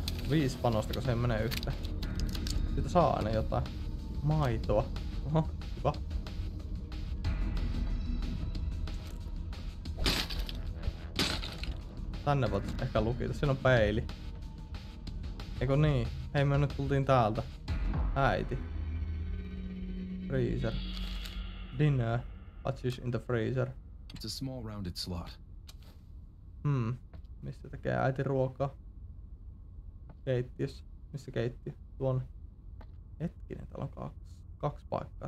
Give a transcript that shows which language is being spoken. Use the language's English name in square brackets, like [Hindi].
[Finnish] 5 panosta, kun se ei mene yhtä. Siitä saa aina jotain maitoa. Oho, hyvä. Tänne voit ehkä lukita, siinä on peili. Eikö niin? Hei, me nyt tultiin täältä. [English] Äiti. Freezer. Dinner. What's this in the freezer? It's a small rounded slot. Hmm. [Finnish] Mistä tekee äiti ruokaa? Keittiössä. Missä keittiö? Tuonne. Hetkinen, täällä on kaksi paikkaa.